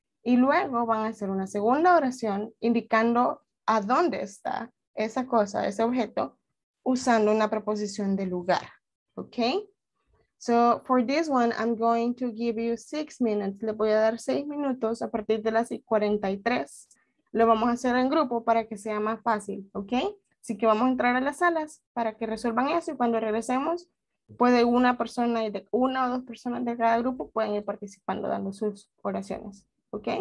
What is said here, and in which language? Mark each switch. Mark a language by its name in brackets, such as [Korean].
[Spanish] Y luego van a hacer una segunda oración indicando a dónde está esa cosa, ese objeto, usando una preposición de lugar. Okay? [English] So for this one, I'm going to give you 6 minutes. [Spanish] Le voy a dar 6 minutos a partir de las 43. Lo vamos a hacer en grupo para que sea más fácil, ¿ok? Así que vamos a entrar a las salas para que resuelvan eso y cuando regresemos, puede una persona, una o dos personas de cada grupo pueden ir participando dando sus oraciones, ¿ok?